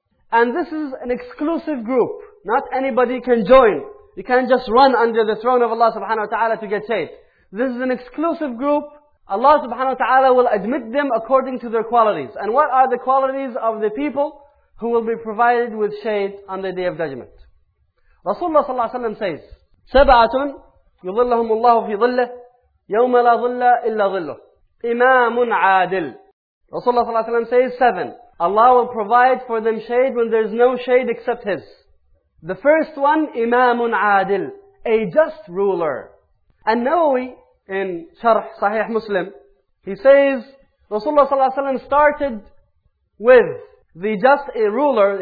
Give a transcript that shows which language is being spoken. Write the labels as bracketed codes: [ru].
[en] And this is an exclusive group. Not anybody can join. You can't just run under the throne of Allah subhanahu wa ta'ala to get shade. This is an exclusive group. Allah subhanahu wa ta'ala will admit them according to their qualities. And what are the qualities of the people who will be provided with shade on the Day of Judgment? [ar] Rasulullah sallallahu alayhi wa sallam says, سَبَعَةٌ يُظِلَّهُمُ اللَّهُ فِي ظِلَّهِ يَوْمَ لَا ظِلَّ إِلَّا ظِلُّهُ إِمَامٌ عَادِلٌ. [en] Rasulullah sallallahu alayhi wa sallam says, seven. Allah will provide for them shade when there is no shade except His. The first one, Imamun Adil, a just ruler. And Nawawi, in Sharh Sahih Muslim, he says, Rasulullah sallallahu alayhi wa sallam started with the just ruler.